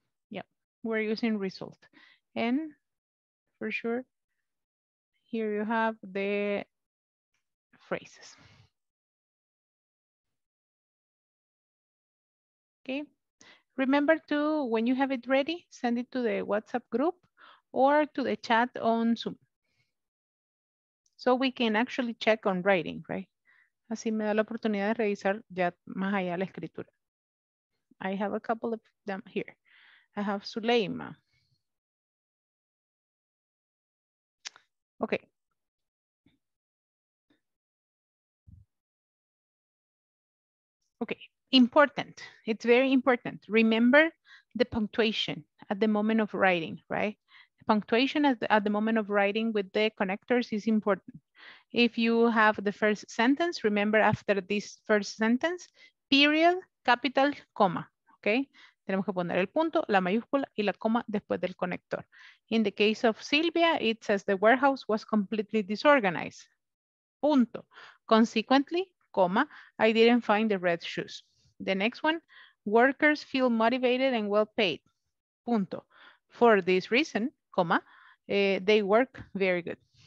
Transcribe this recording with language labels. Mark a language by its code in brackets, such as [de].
[en] Yeah, we're using result. And for sure, here you have the phrases. Okay, remember to, when you have it ready, send it to the WhatsApp group or to the chat on Zoom. So we can actually check on writing, right? [es] Así me da la oportunidad de revisar ya más allá la escritura. [en] I have a couple of them here. I have Suleyma. Okay. Okay, important. It's very important. Remember the punctuation at the moment of writing, right? The punctuation at the moment of writing with the connectors is important. If you have the first sentence, remember after this first sentence, period, capital, comma, okay? [es] Tenemos que poner el punto, la mayúscula y la coma después del conector. [en] In the case of Silvia, it says the warehouse was completely disorganized. Punto. Consequently, comma, I didn't find the red shoes. The next one, workers feel motivated and well paid. Punto. For this reason, comma, they work very good.